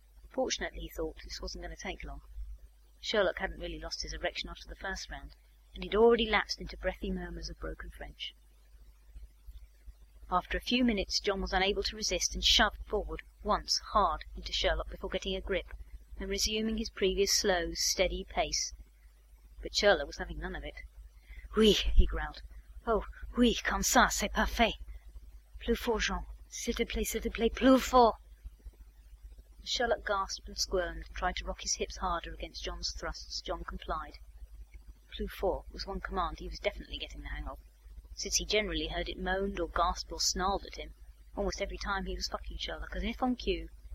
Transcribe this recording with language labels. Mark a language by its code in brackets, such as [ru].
[en] Fortunately, he thought, this wasn't going to take long. Sherlock hadn't really lost his erection after the first round, and he'd already lapsed into breathy murmurs of broken French. After a few minutes, John was unable to resist and shoved forward, once, hard, into Sherlock before getting a grip and resuming his previous slow, steady pace. But Churla was having none of it. Oui, he growled. [fr] Oh, oui, comme ça, c'est parfait. Plus fort, Jean. S'il te plaît, plus fort. [en] As Sherlock gasped and squirmed, tried to rock his hips harder against John's thrusts, John complied. Plus fort was one command he was definitely getting the hang of, since he generally heard it moaned or gasped or snarled at him, almost every time he was fucking Sherlock, as if on cue.